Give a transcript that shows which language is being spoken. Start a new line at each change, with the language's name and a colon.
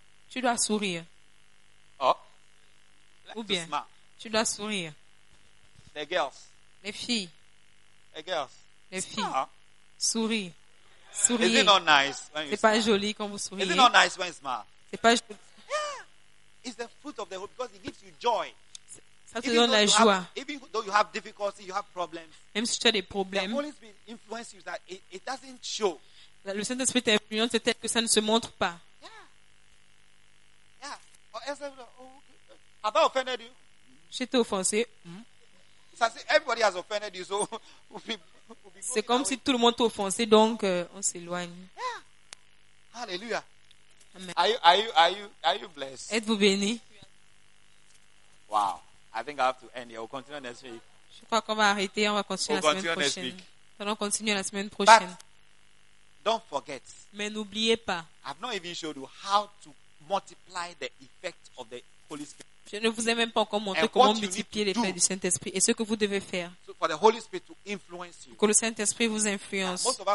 French: Tu dois sourire. Ou bien. Tu dois sourire.
English: The girls.
French: Les filles.
English: The girls.
French: Les filles. Souris. Souriez.
English: Is it not nice when you
French: c'est
English: smile?
French: Pas joli quand vous souriez.
English: Is it not nice when you smile?
French: C'est pas joli.
English: Yeah. It's the fruit of the hope because it gives you joy.
French: Ça te donne la joie.
English: Have, even though you have difficulty, you have problems.
French: Même si tu as des problèmes.
English: The Holy Spirit influences you that it doesn't show.
French: Le Saint-Esprit t'influence tel que ça ne se montre pas.
English: Yeah. Or else, okay. Have I offended you?
French: J'étais offensé.
English: Everybody has offended you, so we'll be
French: c'est comme si tout le monde t'offensait, donc on s'éloigne.
English: Yeah. Hallelujah. Amen. Are you blessed?
French: Êtes-vous béni?
English: Wow. I think I have to end here. We'll continue next week.
French: Je crois qu'on va arrêter. On va continuer
English: we'll
French: la
English: continue
French: semaine prochaine.
English: Next week.
French: Alors, on continue la semaine prochaine.
English: But don't forget.
French: Mais n'oubliez pas.
English: I've not even showed you how to multiply the effect of the Holy Spirit.
French: Je ne vous ai même pas encore montré comment multiplier les faits du Saint-Esprit et ce que vous devez faire que le Saint-Esprit vous influence.